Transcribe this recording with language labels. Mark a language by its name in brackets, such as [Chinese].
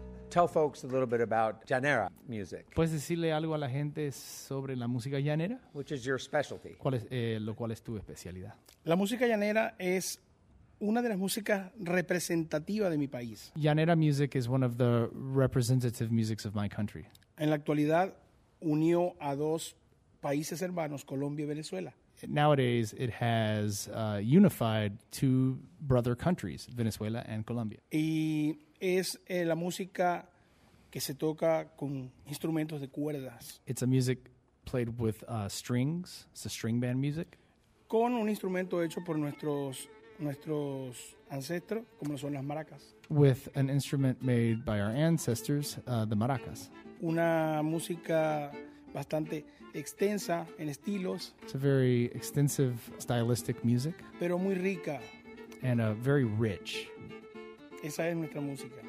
[English] Tell folks a little bit about llanera music. [Spanish] ¿Puedes decirle algo a la gente sobre la música llanera? [English] Which is your specialty. [Spanish] ¿Cuál es, lo cual es tu especialidad? La música llanera es una de las músicas representativas de mi país. [English] Llanera music is one of the representative musics of my country. [Spanish] En la actualidad, unió a dos países hermanos, Colombia y Venezuela. [English] Nowadays, it has unified two brother countries, Venezuela and Colombia. [Spanish] Y es la música que se toca con instrumentos de cuerdas. [English] It's a music played with strings. It's a string band music. [Spanish] Con un instrumento hecho por nuestros ancestros, como son las maracas. [English] With an instrument made by our ancestors, the maracas. [Spanish] Una música bastante extensa en estilos. [English] It's a very extensive stylistic music. [Spanish] Pero muy rica. [English] And a very rich. [Spanish] Esa es nuestra música.